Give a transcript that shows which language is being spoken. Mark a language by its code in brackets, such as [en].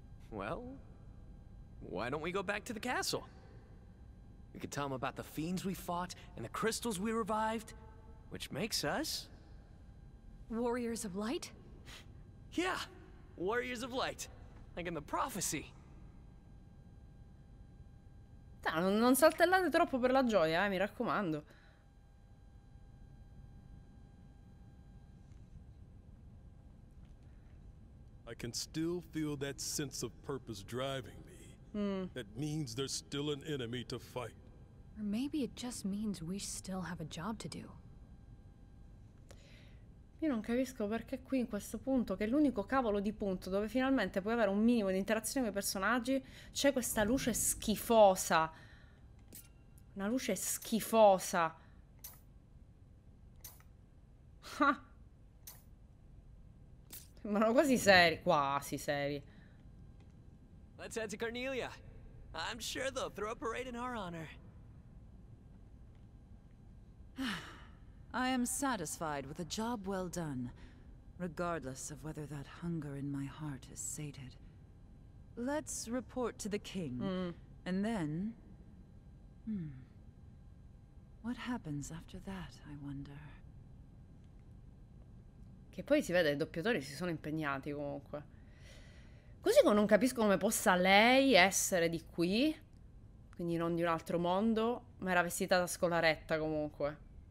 [en] Well, why don't we go back to the castle? We could tell them about the fiends we fought and the crystals we revived, which makes us... Warriors of Light? Yeah, Warriors of Light, like in the prophecy. [it] Non saltellate troppo per la gioia, mi raccomando. [en] I can still feel that sense of purpose driving me. That means there's still an enemy to fight. Or maybe it just means we still have a job to do. [it] Io non capisco perché qui, in questo punto, che è l'unico cavolo di punto dove finalmente puoi avere un minimo di interazione con i personaggi, c'è questa luce schifosa. Una luce schifosa. Sembrano quasi seri. Quasi seri. [en] Let's head to Carnelia. I'm sure they'll throw a parade in our honor. I am satisfied with a job well done, regardless of whether that hunger in my heart is sated. Let's report to the king, and then... What happens after that, I wonder? [it] Che poi si vede, i doppiatori si sono impegnati comunque. Così come non capisco come possa lei essere di qui, quindi non di un altro mondo, ma era vestita da scolaretta comunque.